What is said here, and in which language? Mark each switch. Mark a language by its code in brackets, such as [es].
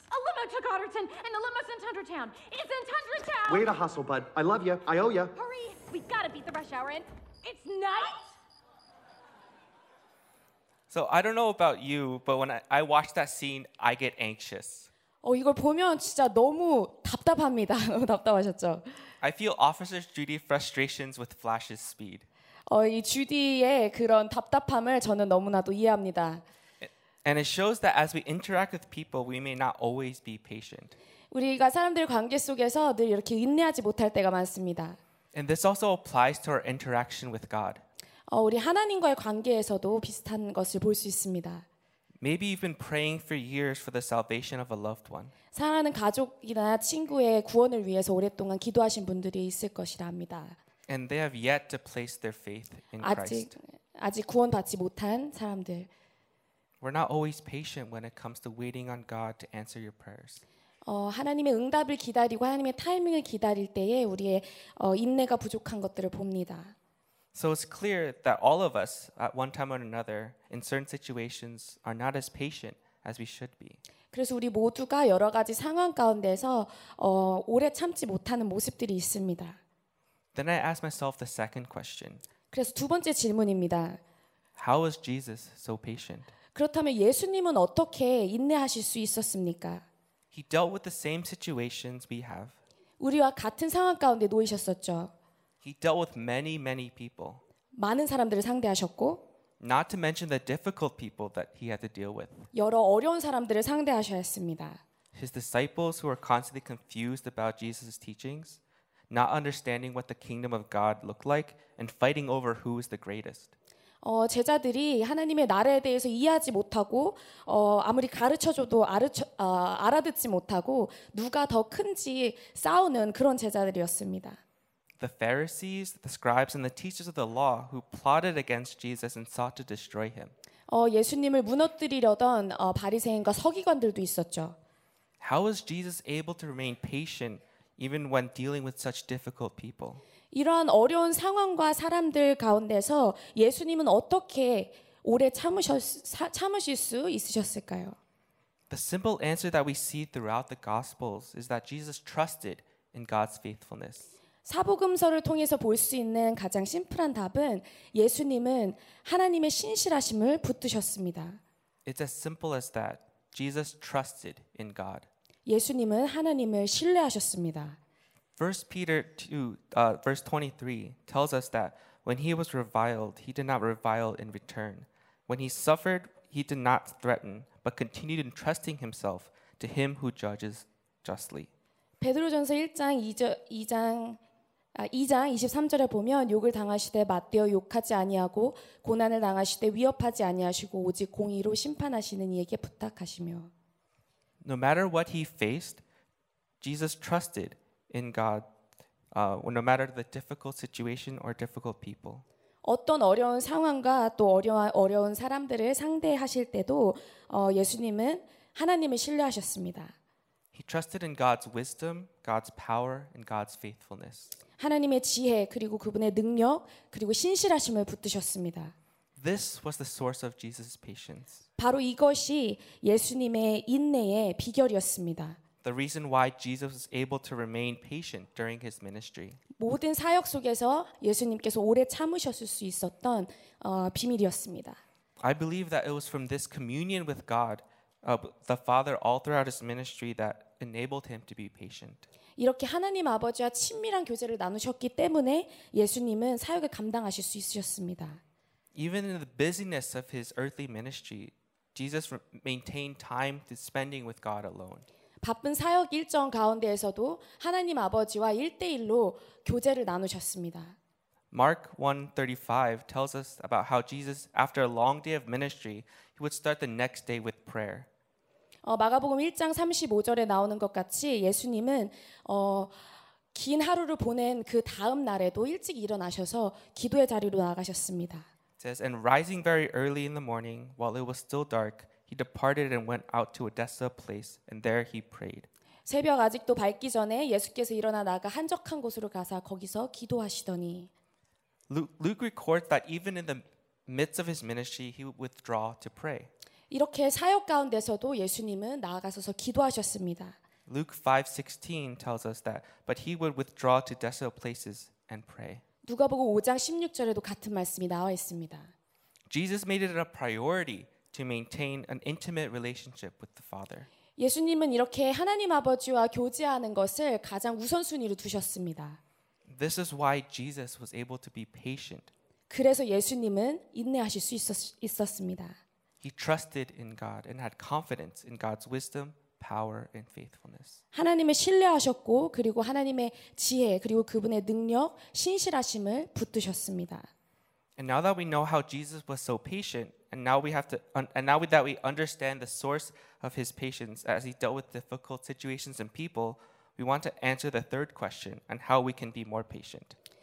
[en] A limo to Goderton, and the limo's in Tundertown. It's in Tundertown. Way to hustle, bud. I love you. I owe you. Hurry. We gotta beat the rush hour in. It's night. So I don't know about you, but when I watch that scene, I get anxious. [ko] 이걸 보면 진짜 너무 답답합니다. 너무 답답하셨죠? [en] I feel Officer Judy's frustrations with Flash's speed. [ko] 이 주디의 그런 답답함을 저는 너무나도 이해합니다. [en] And it shows that as we interact with people, we may not always be patient. [ko] 우리가 사람들 관계 속에서 늘 이렇게 인내하지 못할 때가 많습니다. [en] And this also applies to our interaction with God. [ko] 우리 하나님과의 관계에서도 비슷한 것을 볼 수 있습니다. [en] Maybe you've been praying for years for the salvation of a loved one. [ko] 사랑하는 가족이나 친구의 구원을 위해서 오랫동안 기도하신 분들이 있을 것이라 합니다. [en] And they have yet to place their faith in [ko] 아직, [en] Christ. [ko] 아직 구원받지 못한 사람들. [en] We're not always patient when it comes to waiting on God to answer your prayers. [ko] 하나님의 응답을 기다리고 하나님의 타이밍을 기다릴 때에 우리의 인내가 부족한 것들을 봅니다. [en] So it's clear that all of us, at one time or another, in certain situations, are not as patient as we should be. [ko] 그래서 우리 모두가 여러 가지 상황 가운데서 오래 참지 못하는 모습들이 있습니다. [en] Then I ask myself the second question. [ko] 그래서 두 번째 질문입니다. [en] How was Jesus so patient? [ko] 그렇다면 예수님은 어떻게 인내하실 수 있었습니까? [en] He dealt with the same situations we have. [ko] 우리와 같은 상황 가운데 놓이셨었죠. [en] He dealt with many, many people. [ko] 많은 사람들을 상대하셨고. [en] Not to mention the difficult people that he had to deal with. [ko] 여러 어려운 사람들을 상대하셨습니다. [en] His disciples who were constantly confused about Jesus' teachings. Not understanding what the kingdom of God looked like and fighting over who is the greatest. [ko] 제자들이 하나님의 나라에 대해서 이해하지 못하고 아무리 가르쳐줘도 알아듣지 못하고 누가 더 큰지 싸우는 그런 제자들이었습니다. [en] The Pharisees, the scribes, and the teachers of the law who plotted against Jesus and sought to destroy him. [ko] 예수님을 무너뜨리려던 바리새인과 서기관들도 있었죠. [en] How was Jesus able to remain patient even when dealing with such difficult people? [ko] 이러한 어려운 상황과 사람들 가운데서 예수님은 어떻게 오래 참으실 수 있으셨을까요? [en] The simple answer that we see throughout the Gospels is that Jesus trusted in God's faithfulness. [ko] 사복음서를 통해서 볼 수 있는 가장 심플한 답은 예수님은 하나님의 신실하심을 붙드셨습니다. [en] It's as simple as that. Jesus trusted in God. [ko] 예수님은 하나님을 신뢰하셨습니다. [en] 1 Peter 2:23 tells us that when he was reviled, he did not revile in return. When he suffered, he did not threaten, but continued entrusting himself to him who judges justly. [ko] 베드로전서 2장 23절에 보면 욕을 당하시되 맞대어 욕하지 아니하고 고난을 당하시되 위협하지 아니하시고 오직 공의로 심판하시는 이에게 부탁하시며. [en] No matter what he faced, Jesus trusted in God, no matter the difficult situation or difficult people. [ko] 어떤 어려운 상황과 또 어려운 사람들을 상대하실 때도 예수님은 하나님을 신뢰하셨습니다. [en] He trusted in God's wisdom, God's power, and God's faithfulness. [ko] 하나님의 지혜 그리고 그분의 능력 그리고 신실하심을 붙드셨습니다. [en] This was the source of Jesus' patience. [ko] 바로 이것이 예수님의 인내의 비결이었습니다. [en] The reason why Jesus was able to remain patient during his ministry. [ko] 모든 사역 속에서 예수님께서 오래 참으셨을 수 있었던 비밀이었습니다. [en] I believe that it was from this communion with God, the Father, all throughout his ministry that enabled him to be patient. [ko] 이렇게 하나님 아버지와 친밀한 교제를 나누셨기 때문에 예수님은 사역을 감당하실 수 있으셨습니다. [en] Even in the busyness of his earthly ministry, Jesus maintained time to spending with God alone. [ko] 바쁜 사역 일정 가운데에서도 하나님 아버지와 일대일로 교제를 나누셨습니다. [en] Mark 1:35 tells us about how Jesus, after a long day of ministry, he would start the next day with prayer. [ko] 마가복음 1장 35절에 나오는 것 같이 예수님은 긴 하루를 보낸 그 다음 날에도 일찍 일어나셔서 기도의 자리로 나가셨습니다. [en] It says, and rising very early in the morning, while it was still dark, he departed and went out to a desolate place, and there he prayed. [ko] 새벽 아직도 밝기 전에 예수께서 일어나 나가 한적한 곳으로 가서 거기서 기도하시더니. [en] Luke records that even in the midst of his ministry, he would withdraw to pray. [ko] 이렇게 사역 가운데서도 예수님은 나아가셔서 기도하셨습니다. [en] Luke 5:16 tells us that, but he would withdraw to desolate places and pray. [ko] 누가복음 5장 16절에도 같은 말씀이 나와 있습니다. [en] Jesus made it a priority to maintain an intimate relationship with the Father. [ko] 예수님은 이렇게 하나님 아버지와 교제하는 것을 가장 우선순위로 두셨습니다. [en] This is why Jesus was able to be patient. [ko] 그래서 예수님은 인내하실 수 있었습니다. [en] He trusted in God and had confidence in God's wisdom, power, and faithfulness. [ko] 하나님을 신뢰하셨고 그리고 하나님의 지혜 그리고 그분의 능력 신실하심을 붙드셨습니다. [en] And now that we know how Jesus was so patient, and now we have to, and now that we understand the source of his patience as he dealt with difficult situations and people, we want to answer the third question on how we can be more patient.